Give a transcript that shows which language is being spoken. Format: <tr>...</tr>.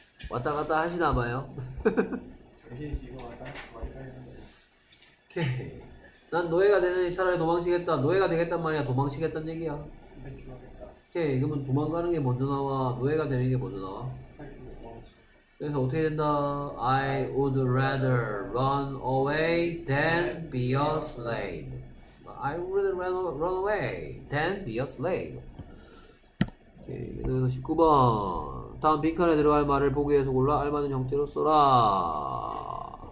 <ko>왔다 갔다 하시나 봐요 정신이 지금 왔다 왔다 하는 거 오케이 난 노예가 되느니 차라리 도망치겠다 노예가 되겠단 말이야 도망치겠단 얘기야 오케이, 그러면 도망가는 게 먼저 나와, 노예가 되는 게 먼저 나와. 그래서 어떻게 된다?</ko> <en>I would rather run away than be a slave. I would rather run away than be a slave.</en> <ko>오케이, 그래서 19번. 다음 빈칸에 들어갈 말을 보기 위해서 골라 알맞은 형태로 써라.</ko>